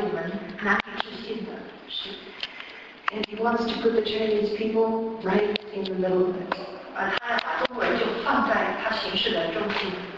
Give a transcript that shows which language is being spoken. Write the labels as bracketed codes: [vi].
[zh] 他要在这个地上行一些我们难以置信的事。 [en] And he wants to put the Chinese people right in the middle of it. [zh] 他要把中国人就放在他行事的中心。